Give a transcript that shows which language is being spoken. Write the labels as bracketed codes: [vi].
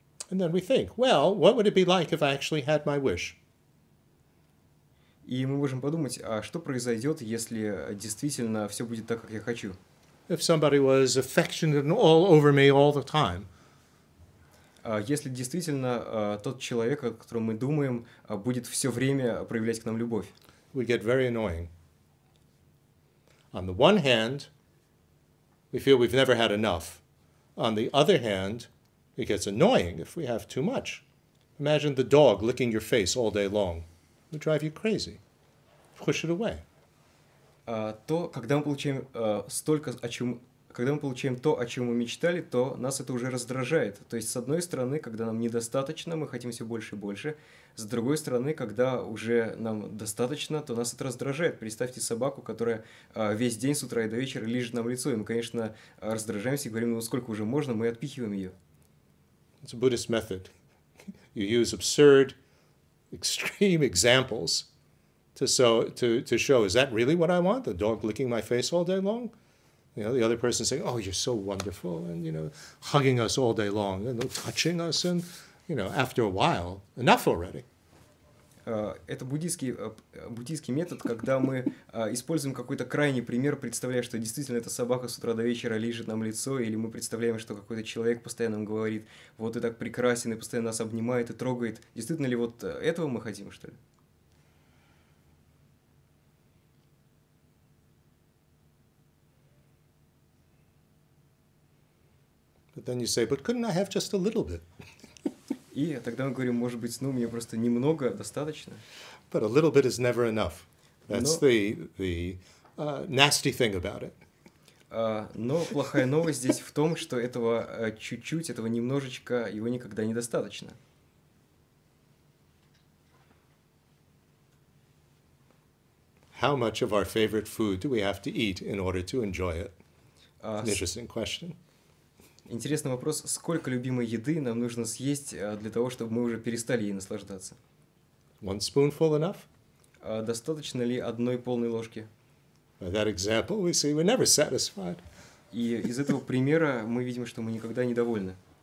[en] And then we think, well, what would it be like if I actually had my wish? [ru] И мы можем подумать, а что произойдет, если действительно все будет так, как я хочу? [en] If somebody was affectionate and all over me all the time. [ru] Если действительно тот человек, о котором мы думаем, будет все время проявлять к нам любовь. [en] We get very annoying. On the one hand, we feel we've never had enough. On the other hand, it gets annoying if we have too much. Imagine the dog licking your face all day long. It would drive you crazy. Push it away. [ru] То, когда мы получаем столько, о чем, когда мы получаем то, о чем мы мечтали, то нас это уже раздражает. То есть, с одной стороны, когда нам недостаточно, мы хотим все больше и больше. С другой стороны, когда уже нам достаточно, то нас это раздражает. Представьте собаку, которая весь день с утра и до вечера лижет нам лицо. И мы, конечно, раздражаемся и говорим, ну сколько уже можно, мы отпихиваем ее. [en] It's a Buddhist method. You use absurd, extreme examples. To show, is that really what I want? The dog licking my face all day long? You know, the other person saying, oh, you're so wonderful, and, you know, hugging us all day long, and touching us, and, you know, after a while, enough already. [ru] Это буддийский метод, когда мы используем какой-то крайний пример, представляя, что действительно эта собака с утра до вечера лижет нам лицо, или мы представляем, что какой-то человек постоянно нам говорит, вот ты так прекрасен, и постоянно нас обнимает и трогает. Действительно ли вот этого мы хотим, что ли? [en] But then you say, but couldn't I have just a little bit? [ru] И тогда мы говорим, может быть, ну, мне просто немного достаточно. [en] But a little bit is never enough. That's the nasty thing about it. [ru] Но плохая новость здесь в том, что этого чуть-чуть, этого немножечко, его никогда недостаточно. [en] How much of our favorite food do we have to eat in order to enjoy it? An interesting question. [ru] Интересный вопрос, сколько любимой еды нам нужно съесть для того, чтобы мы уже перестали ей наслаждаться? [en] One spoonful enough? [ru] Достаточно ли одной полной ложки? [en] By that example, we see we're never satisfied. [ru] И из этого примера мы видим, что мы никогда не довольны.